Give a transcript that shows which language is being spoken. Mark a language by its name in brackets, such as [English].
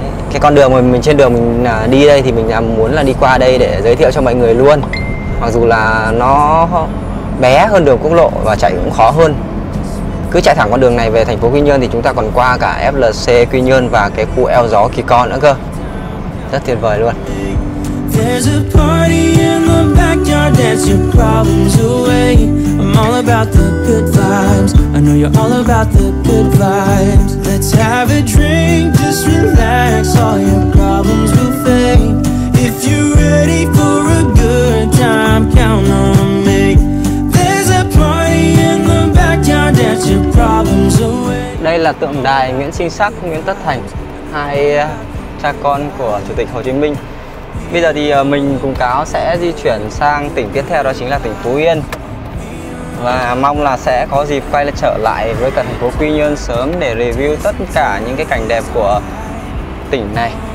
[Vietnamese] Cái con đường mà mình trên đường mình đi đây thì mình muốn là đi qua đây để giới thiệu cho mọi người luôn. Mặc dù là nó bé hơn đường quốc lộ và chạy cũng khó hơn. Cứ chạy thẳng con đường này về thành phố Quy Nhơn thì chúng ta còn qua cả FLC Quy Nhơn và cái khu eo gió Kỳ Con nữa cơ. Rất tuyệt vời luôn. [English] There's a party in the backyard. dance your problems away. I'm all about the good vibes. I know you're all about the good vibes. Let's have a drink, just relax, all your problems will fade. If you're ready for a good time, count on me. There's a party in the backyard, dance your problems away. [Vietnamese] Đây là tượng đài Nguyễn Sinh Sắc, Nguyễn Tất Thành, hai cha con của Chủ tịch Hồ Chí Minh. Bây giờ thì mình cùng cáo sẽ di chuyển sang tỉnh tiếp theo, đó chính là tỉnh Phú Yên. Và mong là sẽ có dịp quay trở lại với cả thành phố Quy Nhơn sớm để review tất cả những cái cảnh đẹp của tỉnh này.